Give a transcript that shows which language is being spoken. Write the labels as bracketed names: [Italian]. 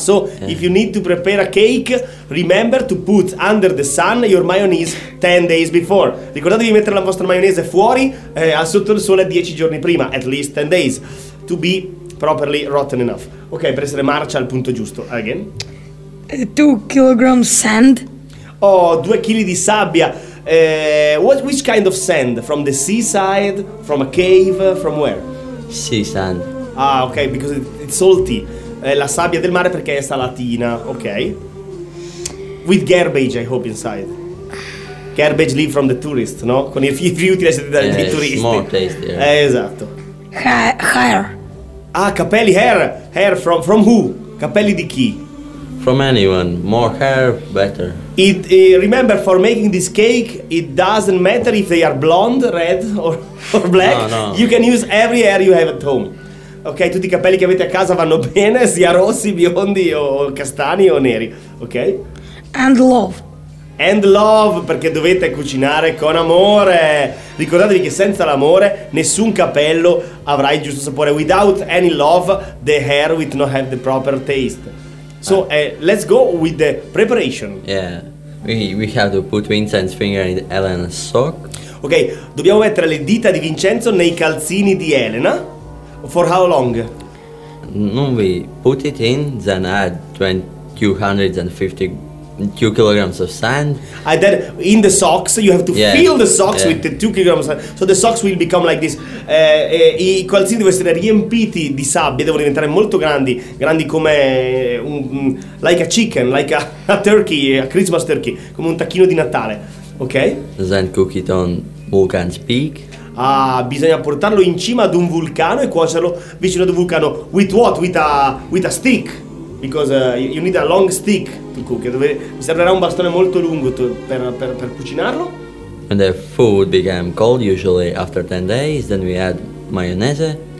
[English] So if you need to prepare a cake, remember to put under the sun your mayonnaise 10 days before. [Italian] Ricordatevi di mettere la vostra mayonnaise fuori, sotto il sole 10 giorni prima, [English] at least 10 days, to be properly rotten enough. [Italian] Ok, per essere marcia al punto giusto. [English] Again. 2 kilograms sand. Oh, [Italian] 2 kg di sabbia. [English] Which kind of sand? From the seaside? From a cave? From where? Sea sand. Ah, ok, because it's salty. [Italian] La sabbia del mare perché è salatina. Ok. [English] With garbage, I hope, inside. Garbage leave from the tourist, no? [Italian] Con i rifiuti lasciati dai turisti. [English] More tasty. [Italian] Esatto. [English] Hair. Ah, capelli, hair. Hair from who? [Italian] Capelli di chi? [English] From anyone. More hair, better. Remember, for making this cake, it doesn't matter if they are blonde, red, or black. No. You can use every hair you have at home. [Italian] Ok, tutti i capelli che avete a casa vanno bene, sia rossi, biondi, o castani, o neri. [English] Ok? And love. And love, [Italian] perché dovete cucinare con amore. Ricordatevi che senza l'amore nessun capello avrà il giusto sapore. [English] Without any love, the hair will not have the proper taste. So let's go with the preparation. Yeah, we have to put Vincent's finger in Elena's sock. [Italian] Ok, dobbiamo mettere le dita di Vincenzo nei calzini di Elena. [English] For how long? Non we put it in, then add 2 kilograms of sand. And then in the socks, you have to fill the socks with the 2 kilograms of sand. So the socks will become like this. [Italian] I calzini devono essere riempiti di sabbia, devono diventare molto grandi, grandi come [English] like a chicken, like a turkey, a Christmas turkey, [Italian] come un tacchino di Natale. Ok? [English] Then cook it on Vulcan's Peak. [Italian] Ah, bisogna portarlo in cima ad un vulcano e cuocerlo vicino ad un vulcano. [English] With what? With a stick. Because you need a long stick to cook. [Italian] Mi servirà un bastone molto lungo per cucinarlo. [English] And the food became cold usually after 10 days, then we add mayonnaise.